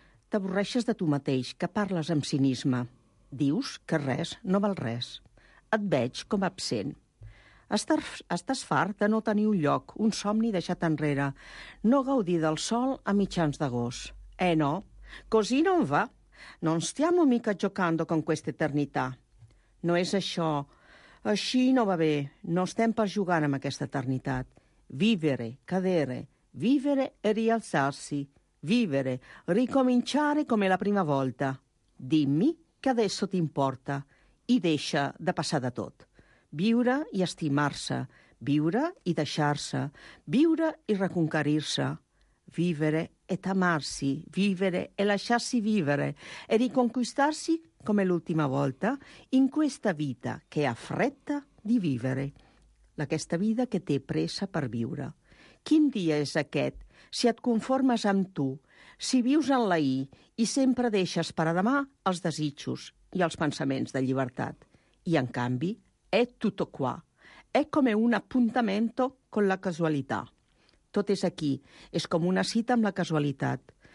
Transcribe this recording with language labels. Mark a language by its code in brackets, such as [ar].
[ca] T'avorreixes de tu mateix, que parles amb cinisme. Dius que res no val res. Et veig com absent. Estàs fart de no tenir un lloc, un somni deixat enrere, no gaudir del sol a mitjans d'agost. [it] No? Così non va. Non stiamo mica giocando con questa eternità. [ca] No és això. Així no va bé. No estem pas jugant amb aquesta eternitat. [it] Vivere, cadere, vivere e rialzarsi. vivere, ricominciare come la prima volta. Dimmi che adesso ti importa [ca] i deixa de passar de tot. Viure i estimar-se, viure i deixar-se, viure i reconquerir-se. [it] Vivere et amarsi, vivere e lasciarsi vivere e riconquistarsi come l'ultima volta in questa vita che ha fretta di vivere, [ca] aquesta vida que té pressa per viure. Quin dia és aquest si et conformes amb tu, si vius en l'ahir i sempre deixes per a demà els desitjos i els pensaments de llibertat. I, en canvi, [it] è tutto qua. È come un appuntamento con la casualità. [ca] Tot és aquí, és com una cita amb la casualitat.